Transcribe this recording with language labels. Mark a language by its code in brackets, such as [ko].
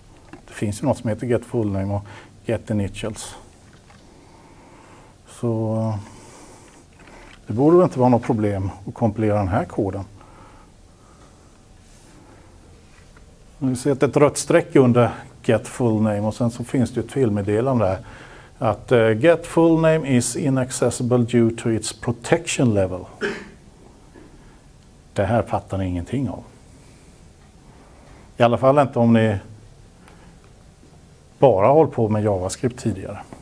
[sv] Det finns ju något som heter Get Full Name och Get Initials. Så det borde inte vara något problem att kompilera den här koden. Nu ser jag ett rött streck under Get Full Name och sen så finns det ju ett felmeddelande där. [en] Att Get Full Name is inaccessible due to its protection level. [sv] Det här fattar ni ingenting av. I alla fall inte om ni bara håller på med JavaScript tidigare.